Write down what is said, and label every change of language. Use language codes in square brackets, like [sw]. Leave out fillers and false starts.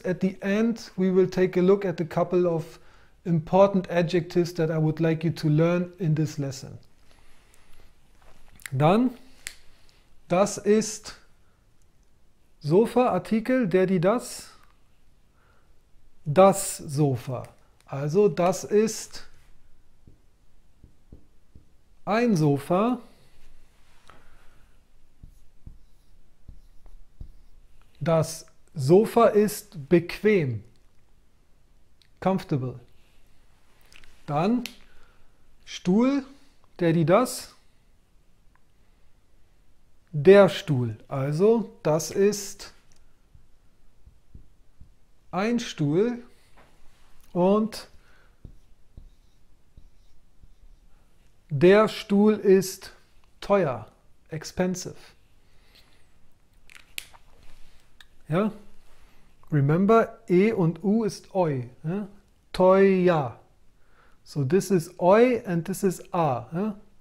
[en] At the end, we will take a look at a couple of important adjectives that I would like you to learn in this lesson. [de] Dann, das ist Sofa-Artikel, der, die, das. Das Sofa. Also, das ist ein Sofa. Das Sofa ist bequem. [en] Comfortable. [de] Dann Stuhl, der, die, das. Der Stuhl. Also, das ist ein Stuhl. Und der Stuhl ist teuer. [en] Expensive. [de] Ja, [en] remember, [de] E und U ist oi, ja? Teuer. [en] So, this is oi and this is a, ja?